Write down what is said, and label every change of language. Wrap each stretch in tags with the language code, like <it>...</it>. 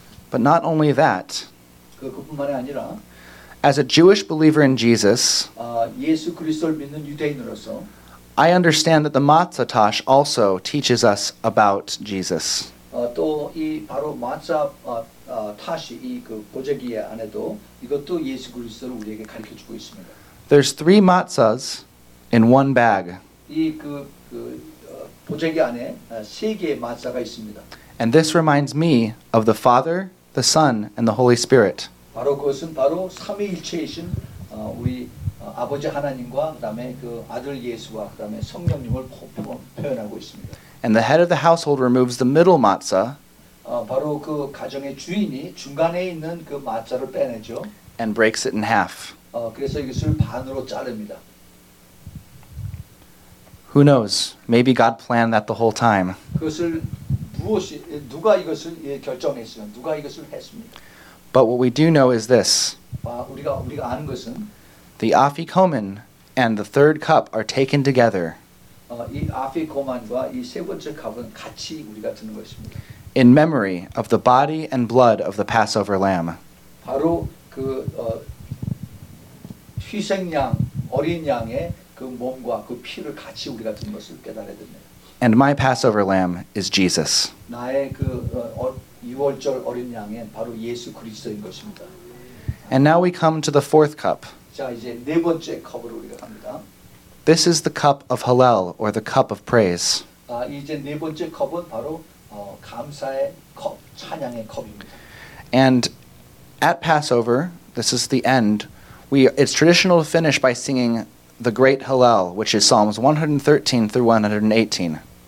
<en>But not only that.</en> <ko>그뿐만이 아니라</ko> <en>as a Jewish believer in Jesus,</en> <ko>예수 그리스도를 믿는 유대인으로서</ko> <en>I understand that the matzah tosh also teaches us about Jesus.</en> <ko>또 이 바로 matzah tosh이 이 그 보자기에 안에도 이것도 예수 그리스도를 우리에게 가르쳐 주고 있습니다.</ko> <en>There's three matzahs in one bag.</en> <ko>이 그 보자기 안에 세 개의 matzah가 있습니다.</ko> <en>And this reminds me of the Father, the Son, and the Holy Spirit.</en> <ko>바로 그것은 바로 삼위일체이신 우리 아버지 하나님과 그다음에 그 아들 예수와 그다음에 성령님을 표현하고 있습니다.</ko> <en>And the head of the household removes the middle matzah.</en> <ko>바로 그 가정의 주인이 중간에 있는 그 마자를 빼내죠.</ko> <en>And breaks it in half.</en> <ko>그래서 이것을 반으로 자릅니다.</ko> <en>Who knows? Maybe God planned that the whole time.</en> <ko>그것을 무엇이 누가 이것을 결정했으면 누가 이것을 했습니까?</ko> <en>But what we do know is this.</en> <ko>우리가 아는 것은</ko> <en>the Afikoman and the third cup are taken together.</en> <ko>이 아피코만과 이 세 번째 컵은 같이 우리가 드는 것입니다.</ko> <en>In memory of the body and blood of the Passover lamb.</en> <ko>바로 그 희생양 어린 양의 그 몸과 그 피를 같이 우리가 드는 것을 깨달아야 됩니다.</ko> <en>And my Passover lamb is Jesus.</en> <ko>나의 그 유월절 어린 양은 바로 예수 그리스도인 것입니다.</ko> <en>And now we come to the fourth cup.</en> <ko>자, 이제 네 번째 컵으로 우리가 갑니다.</ko> <en>This is the cup of Hallel or the cup of praise.</en> <ko>이제 네 번째 컵은 바로 감사의 컵, 찬양의 컵입니다.</ko> <en>And at Passover, this is the end. It's traditional to finish by singing the great Hallel, which is Psalms 113 through 118.</en>